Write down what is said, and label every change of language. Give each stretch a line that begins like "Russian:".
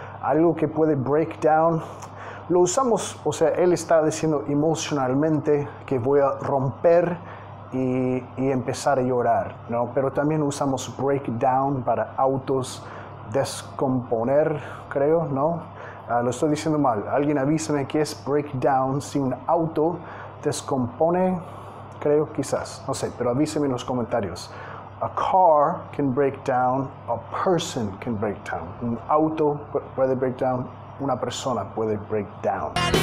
Spanish: Algo que puede break down, lo usamos, o sea, él está diciendo emocionalmente que voy a romper y empezar a llorar, ¿no? Pero también usamos break down para autos descomponer, creo, ¿no? Lo estoy diciendo mal. Alguien avísame qué es break down si un auto descompone, creo, quizás. No sé, pero avísame en los comentarios.
English: A car can break down, a person can break down.
Spanish: Un auto puede break down, una persona puede break down.